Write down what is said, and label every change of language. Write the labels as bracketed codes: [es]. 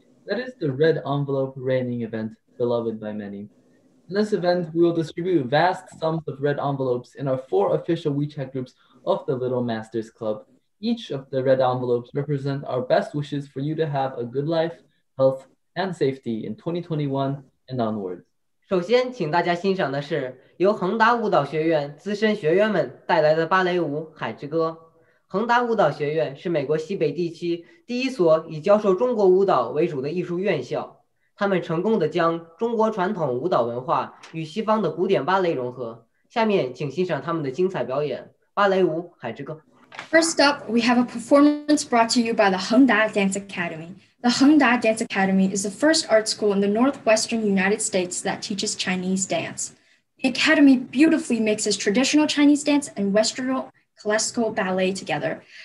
[en] That is the Red Envelope Raining event, beloved by many. In this event, we will distribute vast sums of red envelopes in our 4 official WeChat groups of the Little Masters Club. Each of the red envelopes represent our best wishes for you to have a good life, health,and safety in 2021 and onwards. [zh] 首先请大家欣赏的是由恒达舞蹈学院资深学员们带来的芭蕾舞《海之歌》。恒达舞蹈学院是美国西北地区第一所以教授中国舞蹈为主的艺术院校。他们成功地将中国传统舞蹈文化与西方的古典芭蕾融合。下面请欣赏他们的精彩表演《芭蕾舞·海之歌》。 [en] First up, we have a performance brought to you by the Hengda Dance Academy. The Hengda Dance Academy is the first art school in the northwestern United States that teaches Chinese dance. The academy beautifully mixes traditional Chinese dance and Western classical ballet together.